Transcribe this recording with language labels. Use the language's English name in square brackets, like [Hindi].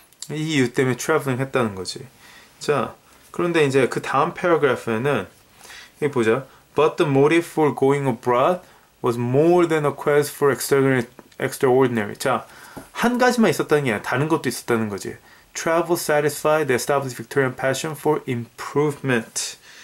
[Korean] 이 이유 때문에 트래블링 했다는 거지. 자, 그런데 이제 그 다음 paragraph에는 이 보자. [English] But the motive for going abroad was more than a quest for extraordinary. [Korean] 자, 한 가지만 있었다는 게 아니라 다른 것도 있었다는 거지. [English] Travel satisfied the established Victorian passion for improvement.